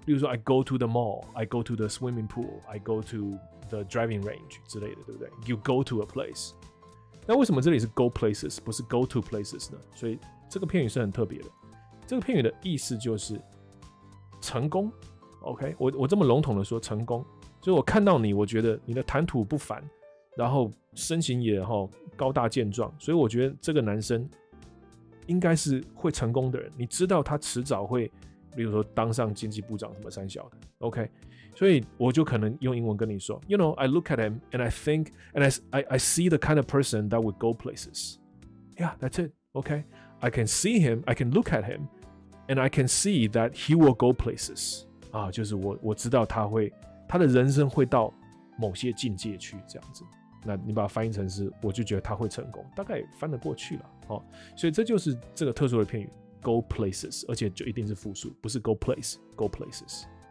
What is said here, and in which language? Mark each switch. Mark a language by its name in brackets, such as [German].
[Chinese] 例如说 [English] I go to the mall, I go to the swimming pool, I go to the driving range [Chinese] 之类的，对不对？ [English] You go to a place。 [Chinese] 那为什么这里是 [English] go places [Chinese] 不是 [English] go to places [Chinese] 呢？所以这个片语是很特别的。这个片语的意思就是成功。 OK, 我这么笼统的说成功，就是我看到你，我觉得你的谈吐不凡，然后身形也高大健壮，所以我觉得这个男生应该是会成功的人。你知道他迟早会，比如说当上经济部长什么三小的。 [English] OK, [Chinese] 所以我就可能用英文跟你说 [English] ，You know, I look at him and I think and I see the kind of person that would go places. Yeah, that's it. OK, I can see him, I can look at him, and I can see that he will go places. [Chinese] 啊，就是我知道他的人生会到某些境界去这样子。那你把它翻译成是，我就觉得他会成功，大概翻得过去了。哦，所以这就是这个特殊的片语 ，go places， 而且就一定是复数，不是 go place，go places。